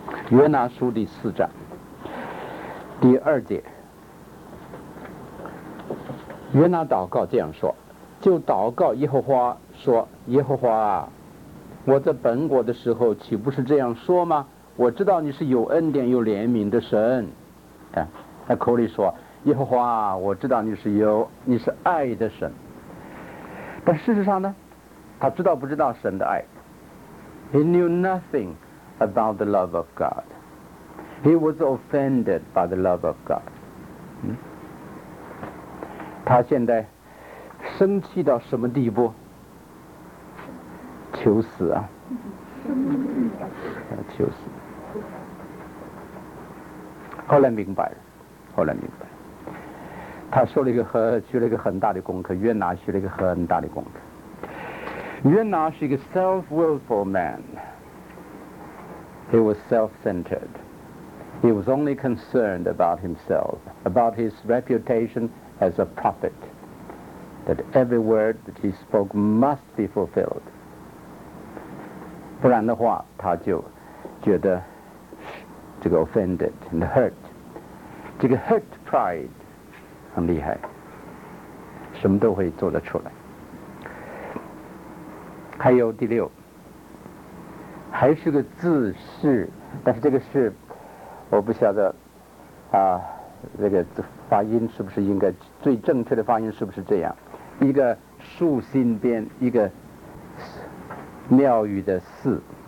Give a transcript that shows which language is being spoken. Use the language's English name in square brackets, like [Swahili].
[Chinese] 约拿书第四章第二节，约拿祷告这样说，就祷告耶和华说，耶和华啊，我在本国的时候岂不是这样说吗？我知道你是有恩典有怜悯的神。他口里说，耶和华，我知道你是爱的神。但事实上呢，他知道不知道神的爱？ [English] He knew nothing about the love of God. He was offended by the love of God. [Chinese] 他现在生气到什么地步？求死啊，求死。后来明白了，后来明白了，他说了一个学了一个很大的功课。约拿学了一个很大的功课。约拿是一个 [English] self-willful man， he was self-centered， he was only concerned about himself， about his reputation as a prophet， that every word that he spoke must be fulfilled， [Chinese] 不然的话他就觉得这个 [English] offended and hurt， [Chinese] 这个 [English] hurt pride [Chinese] 很厉害，什么都会做得出来。还有第六，还是个自视，但是这个是我不晓得啊，这个发音是不是应该最正确的发音是不是这样，一个竖心边，一个庙宇的寺，